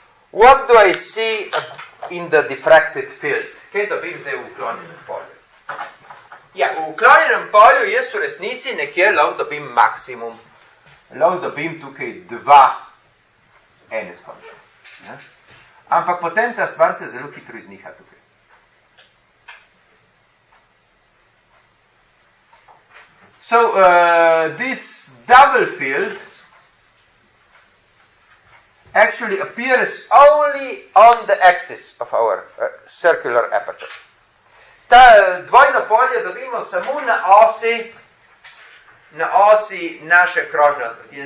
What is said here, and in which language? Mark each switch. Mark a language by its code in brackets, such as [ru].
[en] What do I see in the diffracted field? [sl] Kaj dobim zdaj v uklonjenem polju? Ja, v uklonjenem polju jaz v resnici nekje lahko dobim maksimum. Lahko dobim tukaj 2 neskončno. Ampak potem ta stvar se zelo hitro izniha tukaj. [en] So, this double field actually appears only on the axis of our circular aperture. [sl] Ta dvojno polje dobimo samo na osi naše krožne odprtine.